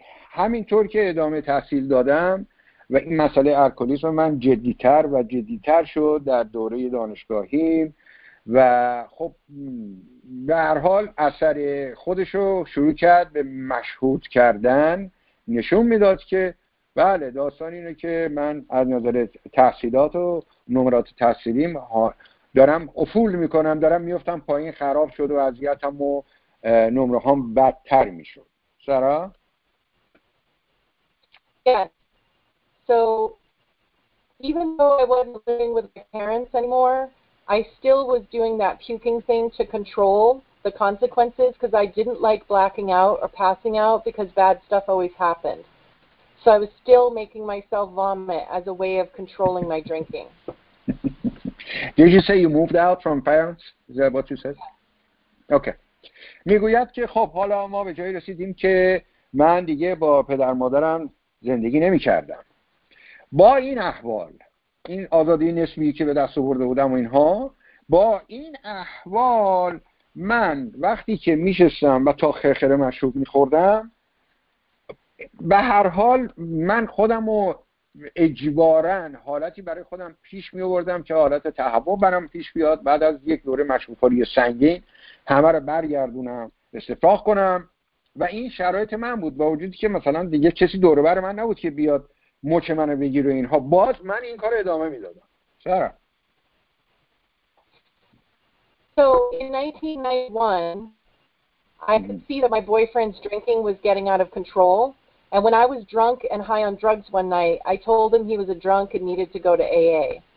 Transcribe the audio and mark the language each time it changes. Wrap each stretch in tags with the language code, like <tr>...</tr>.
<fa>همینطور که ادامه تحصیل دادم و این مسئله الکلیسم من جدیتر و جدیتر شد در دوره دانشگاهی، و خب به هر حال اثر خودشو شروع کرد به مشهود کردن، نشون میداد که بله داستان اینه که من از نظر تحصیلات و نمرات تحصیلیم دارم افول میکنم، دارم میفتم پایین، خراب شد و وضعیتم و نمره هم بدتر می شود. سارا؟</fa> <en>Yes. So even though I wasn't living with my parents anymore, I still was doing that puking thing to control the consequences because I didn't like blacking out or passing out because bad stuff always happened. So I was still making myself vomit as a way of controlling my drinking. Did you say you moved out from parents? Is that what you said? Okay.</en> <fa>میگوید که خب حالا ما به جایی رسیدیم که من دیگه با پدر مادرم زندگی نمی کردم. با این احوال، این آزادی نسبی که به دست آورده بودم و اینها، با این احوال من وقتی که می شستم و تا خرخره مشروب می خوردم، به هر حال من خودم رو اجباراً حالتی برای خودم پیش می آوردم که حالت تهوع برام پیش بیاد، بعد از یک دوره مشروب خوری سنگین همه رو برگردونم استفراغ کنم، و این شرایط من بود. با وجودی که مثلا دیگه کسی دور و بر من نبود که بیاد مچ منو بگیره اینها، باز من این کارو ادامه میدادم. چرا؟</fa> <en>So in 1991 I could see that my boyfriend's drinking was getting out of control, and when I was drunk and high on drugs one night I told him he was a drunk and needed to go to AA.</en>